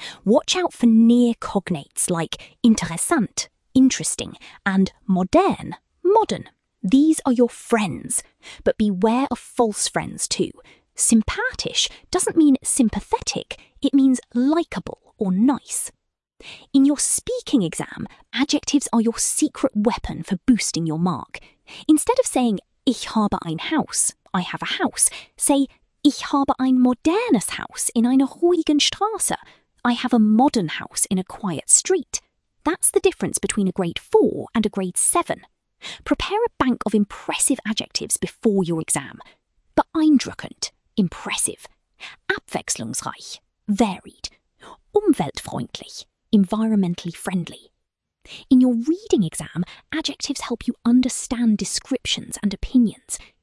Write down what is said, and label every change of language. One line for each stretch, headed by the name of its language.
English: Watch out for near cognates like interessant, interesting, and modern, modern. These are your friends. But beware of false friends too. Sympathisch doesn't mean sympathetic, it means likeable or nice. In your speaking exam, adjectives are your secret weapon for boosting your mark. Instead of saying
German: ich habe ein Haus,
English: I have a house, say
German: ich habe ein modernes Haus in einer ruhigen Straße,
English: I have a modern house in a quiet street. That's the difference between a grade 4 and a grade 7. Prepare a bank of impressive adjectives before your exam. Beeindruckend, impressive. Abwechslungsreich, varied. Umweltfreundlich, environmentally friendly. In your reading exam, adjectives help you understand descriptions and opinions.